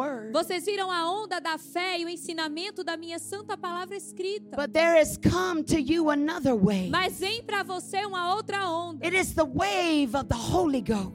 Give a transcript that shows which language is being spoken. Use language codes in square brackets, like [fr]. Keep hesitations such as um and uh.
[pt] Vocês viram a onda da fé e o ensinamento da minha santa palavra escrita. [en] But there come to you another wave. [pt] Mas vem para você uma outra onda. [en] It is the wave of the holy Ghost.